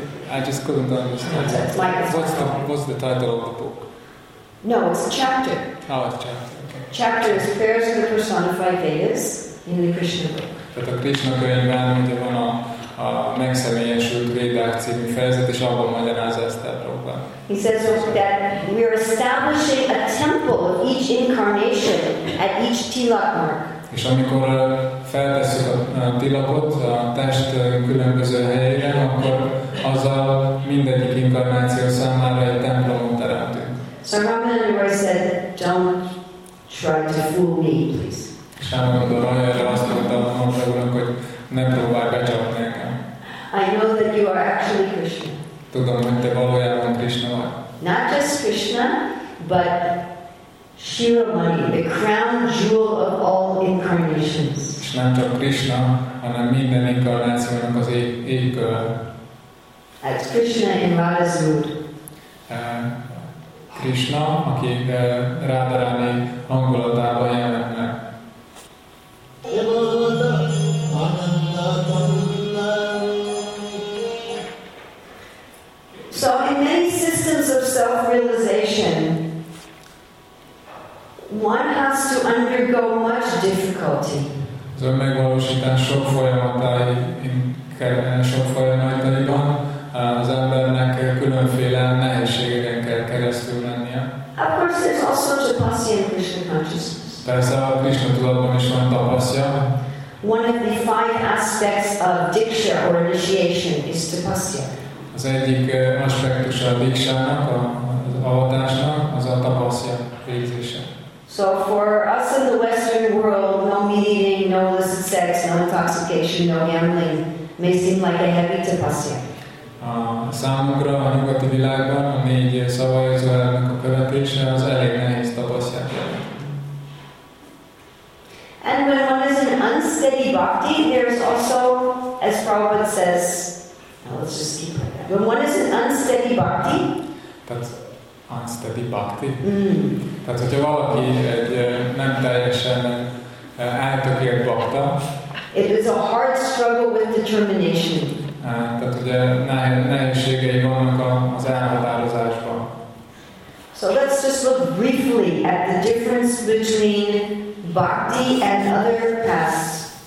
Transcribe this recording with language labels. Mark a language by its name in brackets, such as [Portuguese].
[English] I just couldn't understand. What's the title of the book? No, it's a chapter. Oh, it's a chapter. Okay. Chapter is prayers of the personified Vedas in the Krishna book. [Hungarian] Tehát a Krishna könyvben ugye van a megszemélyesült Védák című fejezet, és abban magyarázza ezt a problémát. [English] He says that we are establishing a temple of each incarnation at each tilak mark. [Hungarian] És amikor feltesszük a tilakot a test különböző helyére, akkor azzal mindegyik inkarnáció számára egy templomot teremtünk. [English] So Ramananda Roy said, don't try to fool me, please. [Hungarian] És Ramananda Roy azt mondta a Mahaprabhunak, hogy ne próbálj becsapni nekem. [English] I know that you are actually Krishna. [Hungarian] Tudom, hogy te valójában Krishna vagy. [English] Not just Krishna, but Shiromani, the crown jewel of all incarnations. [Hungarian] És nem csak Krishna, hanem minden inkarnációnak az égköve. [English] As Krishna in Radha's mood. [Hungarian] Krishna, aki Radharani hangulatában jelent meg. [English] So in many systems of self-realization, one has to undergo much difficulty. [Hungarian] Az önmegvalósítás sok folyamataiban az embernek különféle nehézségeken kell keresztül mennie. [English] Of course, there's all sorts of tapasya in Krishna consciousness. [Hungarian] Persze a Krishna tudatban is van tapasya. [English] One of the five aspects of diksha or initiation is tapasya. [Hungarian] Az egyik aspektus a diksának, az avatásnak, az a tapasya végzése. [English] So for us in the Western world, no meat eating, no illicit sex, no intoxication, no gambling may seem like a heavy tapasya. [Hungarian] Számukra a nyugati világban a négy szabályozóelemnek a követése az elég nehéz tapasya. [English] And when one is an unsteady bhakti, there is also, as Prabhupada says, when one is an unsteady bhakti, that's unsteady bhakti. [Hungarian] Tehát, hogyha valaki egy nem teljesen eltökélt bhakta, [English] it is a hard struggle with determination. [Hungarian] Tehát ugye nehézségei vannak az elhatározásban. [English] So let's just look briefly at the difference between bhakti and other paths.